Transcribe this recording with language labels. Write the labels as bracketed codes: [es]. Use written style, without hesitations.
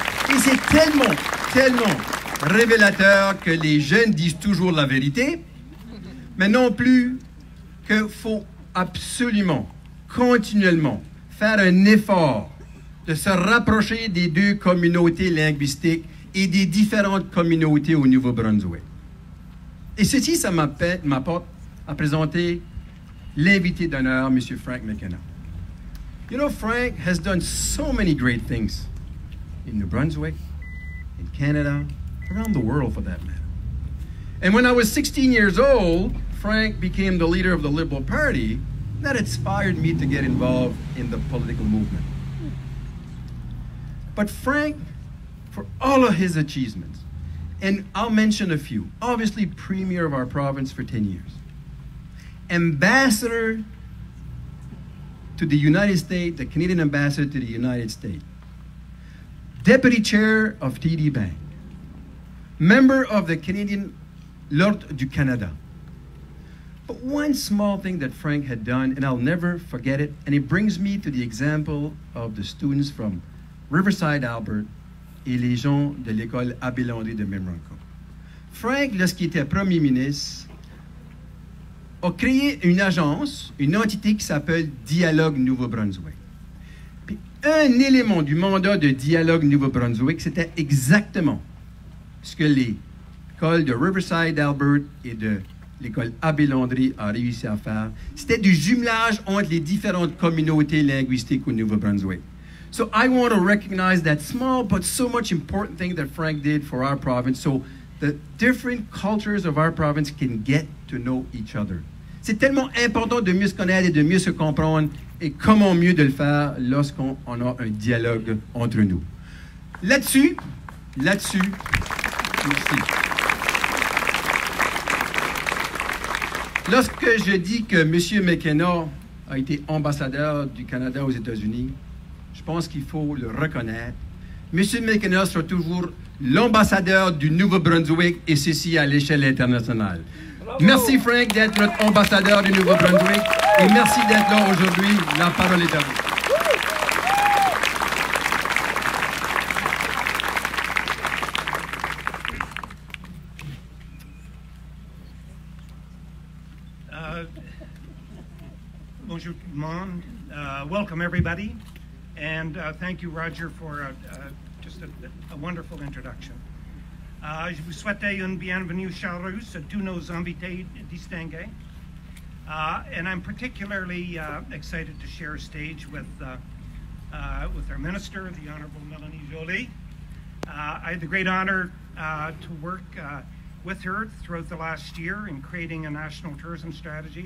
[fr] Et c'est tellement, tellement révélateur que les jeunes disent toujours la vérité, mais non plus qu'il faut absolument, continuellement, faire un effort de se rapprocher des deux communautés linguistiques et des différentes communautés au Nouveau-Brunswick. Et ceci, ça m'apporte à présenter l'invité d'honneur, M. Frank McKenna. [en] You know, Frank has done so many great things in New Brunswick, in Canada, around the world for that matter. And when I was 16 years old, Frank became the leader of the Liberal Party. That inspired me to get involved in the political movement. But Frank, for all of his achievements, and I'll mention a few, obviously premier of our province for 10 years, ambassador to the United States, the Canadian ambassador to the United States, deputy chair of TD Bank, member of the Canadian Lord [fr] du Canada. [en] But one small thing that Frank had done, and I'll never forget it, and it brings me to the example of the students from Riverside Albert [fr] et les gens de l'école Abelandé de Memramcook. Frank, lorsqu'il était premier ministre, a créé une agence, une entité qui s'appelle Dialogue Nouveau-Brunswick. Puis un élément du mandat de Dialogue Nouveau-Brunswick, c'était exactement ce que l'école de Riverside Albert et de l'école Abelandé a réussi à faire. C'était du jumelage entre les différentes communautés linguistiques au Nouveau-Brunswick. [en] So I want to recognize that small but so much important thing that Frank did for our province so the different cultures of our province can get to know each other. [fr] C'est tellement important de mieux se connaître et de mieux se comprendre et comment mieux de le faire lorsqu'on on a un dialogue entre nous. Là-dessus, merci. Lorsque je dis que M. McKenna a été ambassadeur du Canada aux États-Unis, je pense qu'il faut le reconnaître. M. McKenna sera toujours l'ambassadeur du Nouveau-Brunswick et ceci à l'échelle internationale. Bravo. Merci, Frank, d'être notre ambassadeur du Nouveau-Brunswick et merci d'être là aujourd'hui. La parole est à vous. Bonjour tout le monde. [en] Welcome everybody. And thank you, Roger, for just a wonderful introduction. [fr] Je vous souhaite une bienvenue chaleureuse à tous nos invités distingués. [en] And I'm particularly excited to share a stage with our minister, the Honorable Melanie Joly. I had the great honor to work with her throughout the last year in creating a national tourism strategy.